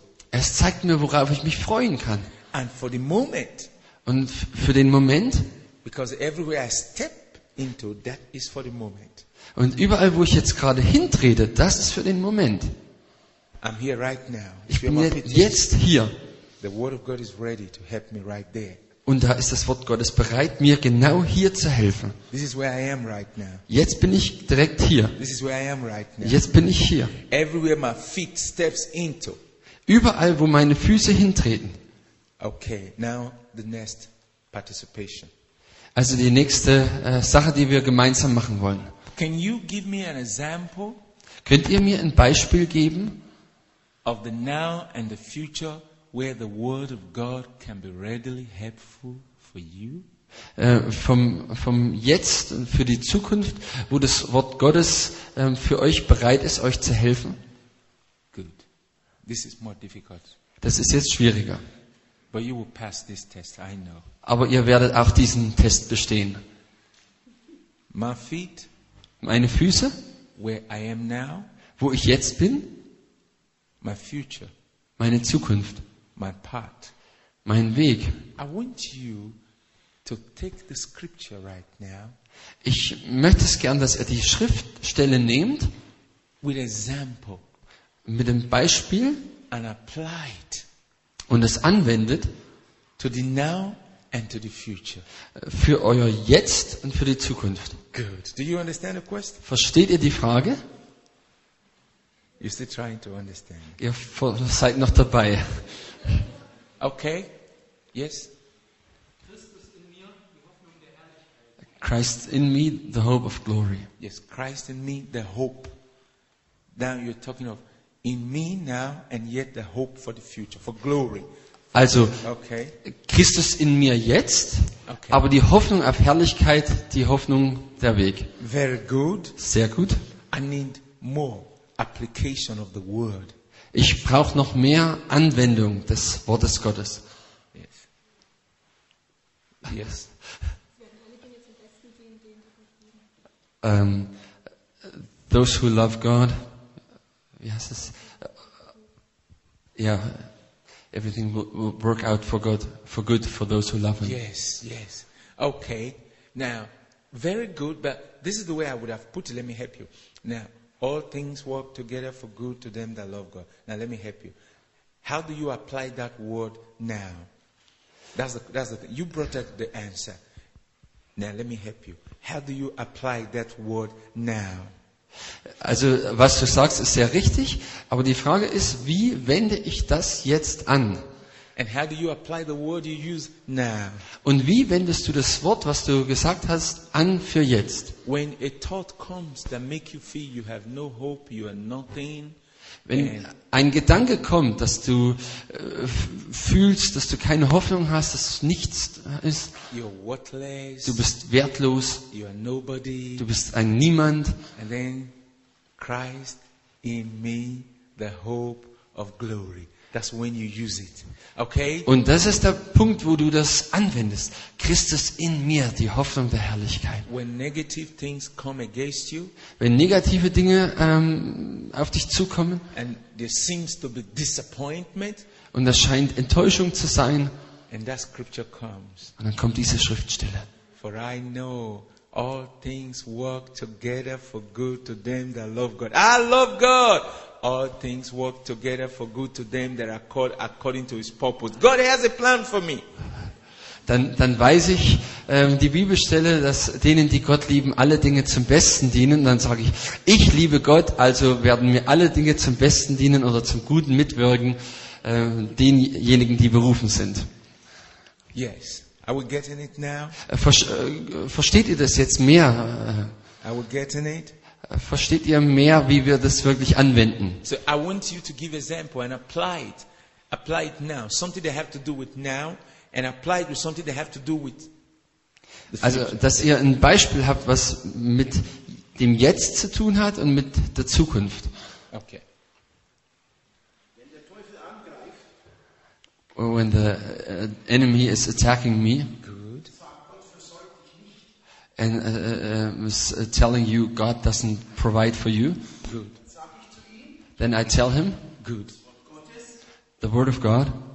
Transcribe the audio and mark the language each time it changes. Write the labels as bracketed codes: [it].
[de] Es zeigt mir, worauf ich mich freuen kann. Und für den Moment, und für den Moment, [en] because everywhere I step into, that is for the moment. [de] Und überall, wo ich jetzt gerade hintrete, das ist für den Moment. [en] I'm here right now. [de] Ich bin jetzt hier. [en] The word of God is ready to help me right there. [de] Und da ist das Wort Gottes bereit, mir genau hier zu helfen. [en] This is where I am right now. [de] Jetzt bin ich direkt hier. [en] This is where I am right now. [de] Jetzt bin ich hier. [en] Everywhere my feet steps into. [de] Überall, wo meine Füße hintreten. [en] Okay, now the next participation. [de] Also die nächste Sache, die wir gemeinsam machen wollen. [en] Can you give me an example? [de] Könnt ihr mir ein Beispiel geben? [en] Of the now and the future where the word of God can be readily helpful for you? [de] Vom jetzt und für die Zukunft, wo das Wort Gottes für euch bereit ist, euch zu helfen? [en] Good. This is more difficult. [de] Das ist jetzt schwieriger. [en] But you will pass this test, I know. [de] Aber ihr werdet auch diesen Test bestehen. [en] My feet, [de] meine Füße, [en] where I am now, [de] wo ich jetzt bin, [en] my future, [de] meine Zukunft, [en] my path, [de] mein Weg. [en] I want you to take the scripture right now. [de] Ich möchte es gern, dass er die Schriftstelle nimmt. [en] With example. [de] Mit dem Beispiel. [en] And apply it. [de] Und es anwendet. [en] To the now and to the future. [de] Für euer Jetzt und für die Zukunft. [en] Good. Do you understand the question? [de] Versteht ihr die Frage? [en] You're still trying to understand. [de] Ihr seid noch dabei. [en] Okay. Yes. Christ in me, the hope of glory. Yes, Christ in me, the hope. Now you're talking of in me now and yet the hope for the future, for glory. [de] Also, okay. Christus in mir jetzt, okay. Aber die Hoffnung auf Herrlichkeit, die Hoffnung der Weg. [en] Very good. [de] Sehr gut. [en] I need more application of the word. [de] Ich brauche noch mehr Anwendung des Wortes Gottes. [en] Yes. Yes. Those who love God, [de] wie heißt es? [en] Yeah, everything will work out for God, for good, for those who love Him. Yes, yes. Okay, now, very good, but this is the way I would have put it, let me help you. Now, all things work together for good to them that love God. Now, let me help you. How do you apply that word now? That's the thing. You brought out the answer. Now, let me help you. How do you apply that word now? [de] Also, was du sagst, ist sehr richtig. Aber die Frage ist, wie wende ich das jetzt an? [en] And how do you apply the word you use now? [de] Und wie wendest du das Wort, was du gesagt hast, an für jetzt? [en] When a thought comes that makes you feel you have no hope, you are nothing. [de] Wenn ein Gedanke kommt, dass du fühlst, dass du keine Hoffnung hast, dass nichts ist, [en] you're worthless, [de] du bist wertlos, [en] you're nobody, [de] du bist ein Niemand, [en] and then Christ in me, the hope of glory. That's when you use it. Okay? [de] Und das ist der Punkt, wo du das anwendest. Christus in mir, die Hoffnung der Herrlichkeit. [en] When negative things come against you, [de] wenn negative Dinge auf dich zukommen, [en] and there seems to be disappointment, [de] und das scheint Enttäuschung zu sein, [en] and that scripture comes. [de] Und dann kommt diese Schriftstelle. [en] For I know all things work together for good to them that love God. I love God! All things work together for good to them that are called according to His purpose. God has a plan for me. [de] Dann weiß ich die Bibelstelle, dass denen, die Gott lieben, alle Dinge zum Besten dienen. Und dann sage ich, ich liebe Gott, also werden mir alle Dinge zum Besten dienen oder zum Guten mitwirken, denjenigen, die berufen sind. [en] Yes. Are we getting it now? [de] Versteht ihr das jetzt mehr? [en] Are we getting it? [de] Versteht ihr mehr, wie wir das wirklich anwenden? [en] So I want you to give example and apply it. Apply it now. Something that have to do with now and apply it with something that have to do with. [de] Also, dass ihr ein Beispiel habt, was mit dem Jetzt zu tun hat und mit der Zukunft. [en] Okay. [de] Wenn der Teufel angreift, [en] or when the enemy is attacking me, and was telling you God doesn't provide for you. Good. Then I tell him. Good. The word of God.